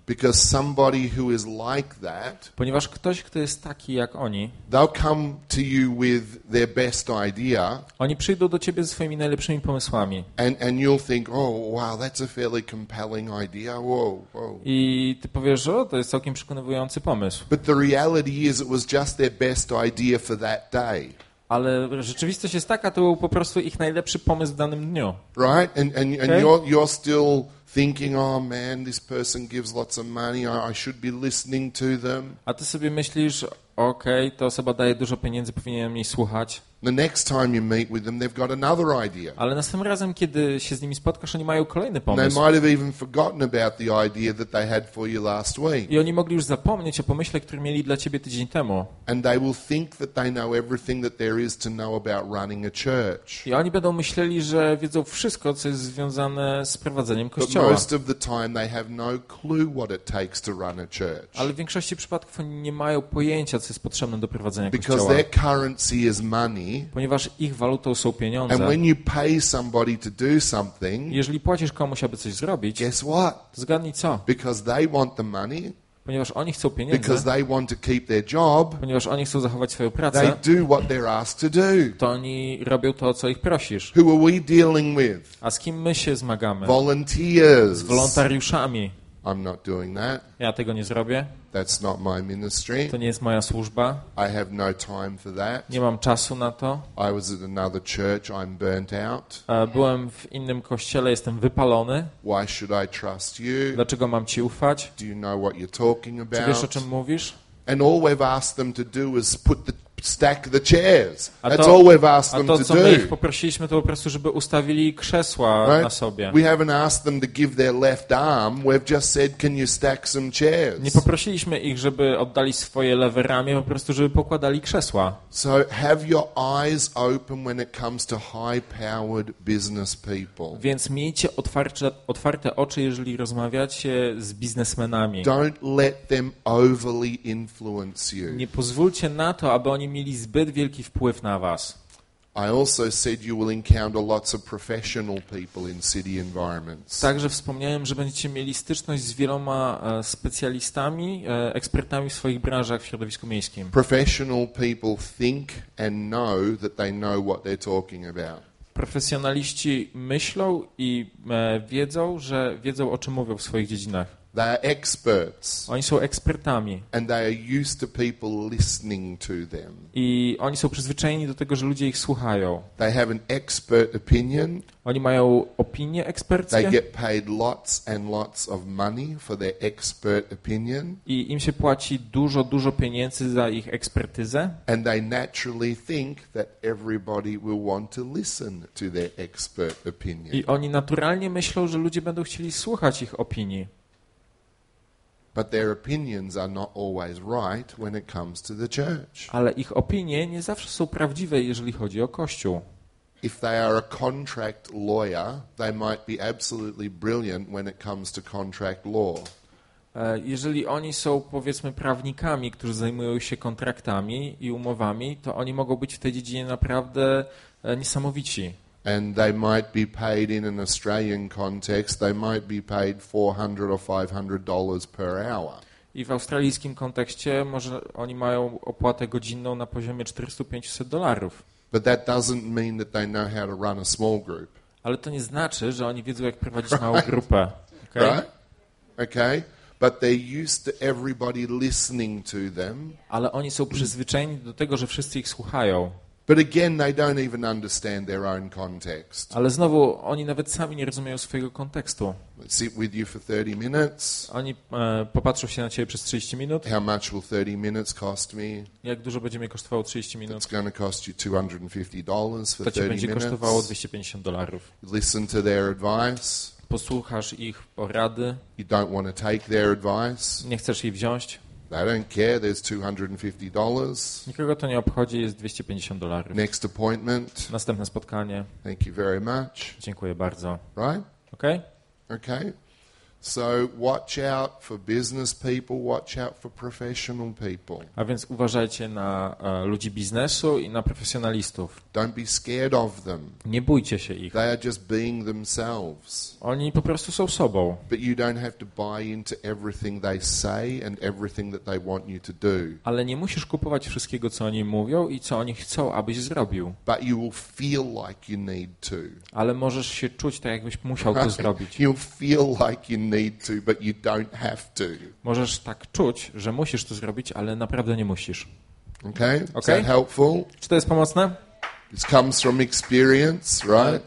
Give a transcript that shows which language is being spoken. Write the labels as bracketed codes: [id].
[en] Because somebody who is like that, [pl] ponieważ ktoś, kto jest taki jak oni, [en] they'll come to you with their best idea. [pl] Oni przyjdą do ciebie ze swoimi najlepszymi pomysłami. [en] And you'll think, oh wow, that's a fairly compelling idea. [pl] I ty powiesz, o, to jest całkiem przekonywujący pomysł. [en] But the reality is, it was just their best idea for that day. [pl] Ale rzeczywistość jest taka, to był po prostu ich najlepszy pomysł w danym dniu. [en] Right? And okay? you're still thinking, oh man, this person gives lots of money, I should be listening to them. [pl] A ty sobie myślisz, okej, okay, ta osoba daje dużo pieniędzy, powinienem jej słuchać. [en] The next time you meet with them, they've got another idea. [pl] Ale następnym razem, kiedy się z nimi spotkasz, oni mają kolejny pomysł. [en] They might have even forgotten about the idea that they had for you last week. [pl] I oni mogli już zapomnieć o pomyśle, który mieli dla ciebie tydzień temu. [en] And they will think that they know everything that there is to know about running a church. [pl] I oni będą myśleli, że wiedzą wszystko, co jest związane z prowadzeniem kościoła. [en] But most of the time, they have no clue what it takes to run a church. [pl] Ale w większości przypadków oni nie mają pojęcia, co jest potrzebne do prowadzenia kościoła. [en] Because their currency is money. [pl] Ponieważ ich walutą są pieniądze. [en] And when you pay somebody to do something, [pl] jeżeli płacisz komuś, aby coś zrobić, [en] guess what? [pl] To zgadnij co? [en] Because they want the money. [pl] Ponieważ oni chcą pieniędzy. [en] Because they want to keep their job. [pl] Ponieważ oni chcą zachować swoją pracę. [en] They do what they're asked to do. [pl] To oni robią to, co ich prosisz. [en] Who are we dealing with? [pl] A z kim my się zmagamy? [en] Volunteers. [pl] Z wolontariuszami. [en] I'm not doing that. [pl] Ja tego nie zrobię. [en] That's not my ministry. [pl] To nie jest moja służba. [en] I have no time for that. [pl] Nie mam czasu na to. [en] I was at another church. I'm burnt out. [pl] Byłem w innym kościele, jestem wypalony. [en] Why should I trust you? [pl] Dlaczego mam ci ufać? [en] Do you know what you're talking about? [pl] Czy wiesz, o czym mówisz? [en] And all we've asked them to do is put the stack the chairs. That's all we've asked them to do. [pl] A to, co my ich poprosiliśmy, to po prostu, żeby ustawili krzesła na sobie. [en] We haven't asked them to give their left arm. We've just said, can you stack some chairs? [pl] Nie poprosiliśmy ich, żeby oddali swoje lewe ramię, po prostu, żeby pokładali krzesła. [en] So have your eyes open when it comes to high-powered business people. [pl] Więc miejcie otwarte oczy, jeżeli rozmawiacie z biznesmenami. [en] Don't let them overly influence you. [pl] Nie pozwólcie na to, aby oni mieli zbyt wielki wpływ na was. [en] I also said you will encounter lots of professional people in city environments. [pl] Także wspomniałem, że będziecie mieli styczność z wieloma specjalistami, ekspertami w swoich branżach w środowisku miejskim. [en] Professional people think and know that they know what they're talking about. [pl] Profesjonaliści myślą i wiedzą, że wiedzą, o czym mówią w swoich dziedzinach. [en] They are experts. [pl] Oni są ekspertami. [en] And they are used to people listening to them. [pl] I oni są przyzwyczajeni do tego, że ludzie ich słuchają. [en] They have an expert opinion. [pl] Oni mają opinię eksperckie. [en] They get paid lots and lots of money for their expert opinion. [pl] I im się płaci dużo, dużo pieniędzy za ich ekspertyzę. [en] And they naturally think that everybody will want to listen to their expert opinion. [pl] I oni naturalnie myślą, że ludzie będą chcieli słuchać ich opinii. [en] But their opinions are not always right when it comes to the church. [pl] Ale ich opinie nie zawsze są prawdziwe, jeżeli chodzi o kościół. [en] If they are a contract lawyer, they might be absolutely brilliant when it comes to contract law. [pl] Jeżeli oni są, powiedzmy, prawnikami, którzy zajmują się kontraktami i umowami, to oni mogą być w tej dziedzinie naprawdę niesamowici. [en] And they might be paid in an Australian context, they might be paid $400 or $500 per hour. [pl] I w australijskim kontekście może oni mają opłatę godzinną na poziomie $400-$500. [en] But that doesn't mean that they know how to run a small group. [pl] Ale to nie znaczy, że oni wiedzą, jak prowadzić małą grupę. [en] Okay? Right? Okay. But they're used to everybody listening to them. [pl] Ale oni są przyzwyczajeni do tego, że wszyscy ich słuchają. [en] But again, they don't even understand their own context. [pl] Ale znowu oni nawet sami nie rozumieją swojego kontekstu. [en] Sit with you for 30 minutes. [pl] Oni popatrzą się na ciebie przez 30 minut. [en] How much will 30 minutes cost me? [pl] Jak dużo będzie mnie kosztowało 30 minut? [en] It's going to cost you $250 for 30 minutes. [pl] To będzie kosztowało $250. [en] Listen to their advice. [pl] Posłuchasz ich porady. [en] You don't want to take their advice. [pl] Nie chcesz jej wziąć. [en] I don't care, there's $250. [pl] Nikogo to nie obchodzi, jest $250. [en] Next appointment. [pl] Następne spotkanie. [en] Thank you very much. [pl] Dziękuję bardzo. [en] Right? Okay? Okay. So watch out for business people, watch out for professional people. [pl] A więc uważajcie na ludzi biznesu i na profesjonalistów. [en] Don't be scared of them. [pl] Nie bójcie się ich. [en] They are just being themselves. [pl] Oni po prostu są sobą. [en] But you don't have to buy into everything they say and everything that they want you to do. [pl] Ale nie musisz kupować wszystkiego, co oni mówią i co oni chcą, abyś zrobił. [en] But you will feel like you need to. [pl] Ale możesz się czuć tak, jakbyś musiał to zrobić. [en] You'll feel like you need to, but you don't have to. [pl] Możesz tak czuć, że musisz to zrobić, ale naprawdę nie musisz. [en] Okay? Okay? Is that helpful? [pl] Czy to jest pomocne? [en] It comes from experience, right?